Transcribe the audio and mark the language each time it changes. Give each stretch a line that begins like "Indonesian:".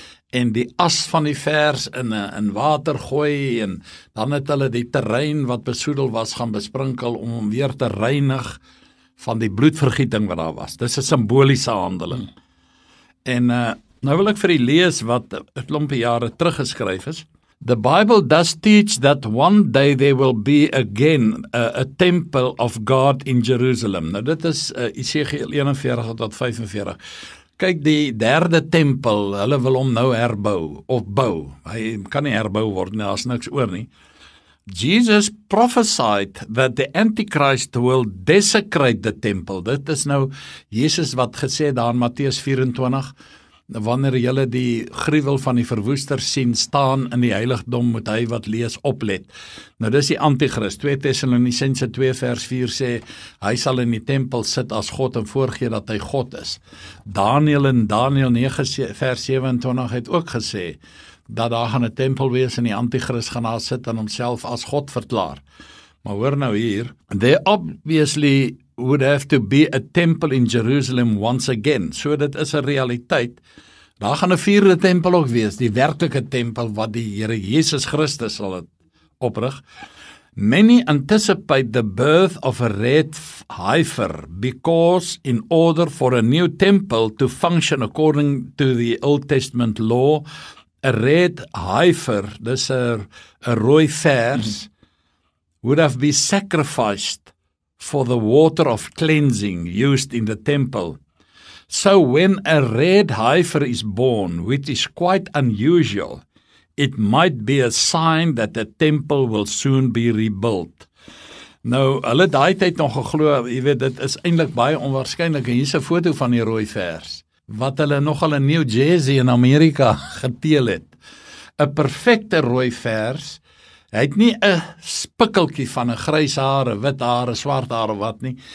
Afrikaans: en die as van die vers in water gooi, en dan het hulle die terrein wat besoedel was gaan besprinkel om hom weer te reinig van die bloedvergieting wat daar was. Dis 'n simboliese handeling. En nou wil ek vir u lees wat 'n klompie jare teruggeskryf is.
English: The Bible does teach that one day there will be again a temple of God in Jerusalem.
Afrikaans: Nou dit is Esegiel 41-45. Kyk, die derde tempel, hulle wil hom nou herbou, of bou. Hy kan nie herbou word, nie, daar is niks oor nie.
English: Jesus prophesied that the Antichrist will desecrate the temple.
Afrikaans: Dit is nou Jesus wat gesê daar in Matteus 24, wanneer julle die gruwel van die verwoester sien staan in die heiligdom, moet hy wat lees oplet. Nou, dis die Antichrist. 2 Thessalonicense 2 vers 4 sê, hy sal in die tempel sit as God en voorgee dat hy God is. Daniel in Daniel 9 vers 27 het ook gesê, dat daar gaan 'n tempel wees en die Antichrist gaan daar sit en homself as God verklaar. Maar hoor nou hier,
English: they obviously would have to be a temple in Jerusalem once again.
Afrikaans: So dit is 'n realiteit. Daar gaan 'n vierde tempel ook wees, die werklike tempel wat die Here Jesus Christus sal oprig.
English: Many anticipate the birth of a red heifer because in order for a new temple to function according to the Old Testament law, a red heifer,
Afrikaans: dis 'n rooi vers,
English: would have been sacrificed for the water of cleansing used in the temple. So when a red heifer is born, which is quite unusual, it might be a sign that the temple will soon be rebuilt.
Afrikaans: Nou, hulle daai tyd nog geglo, jy weet, dit is eintlik baie onwaarskynlik. Hier is 'n foto van die rooi vers, wat hulle nogal in New Jersey in Amerika geteel het. 'N Perfekte rooi vers. Hy het nie 'n spikkeltjie van 'n grys hare, wit hare, swart hare, wat nie.